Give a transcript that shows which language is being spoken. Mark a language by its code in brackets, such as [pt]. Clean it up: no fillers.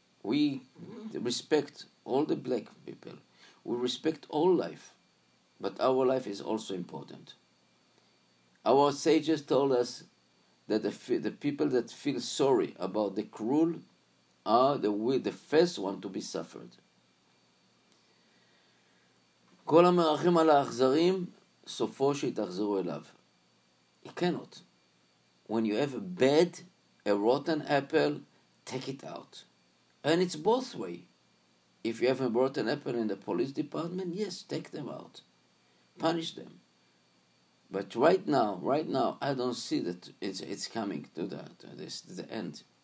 [en] We respect all the black people. We respect all life. But our life is also important. Our sages told us that the people that feel sorry about the cruel are the first one to be suffered. [he] כל המרחם על האכזרים, סופו שיתחזרו אליו. [en] You cannot. When you have a rotten apple, take it out. And it's both way. If you have a rotten apple in the police department, yes, take them out. Punish them. But right now, I don't see that it's coming to the end.